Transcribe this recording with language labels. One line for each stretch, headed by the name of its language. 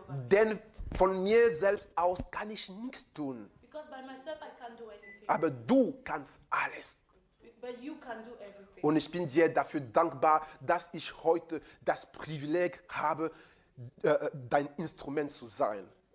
German: Denn von mir selbst aus kann ich nichts tun.
English: Because by myself I can't do anything.
German: Aber du kannst alles.
English: But you can do everything.
German: Und ich bin dir dafür dankbar, dass ich heute das Privileg habe, dein Instrument zu sein.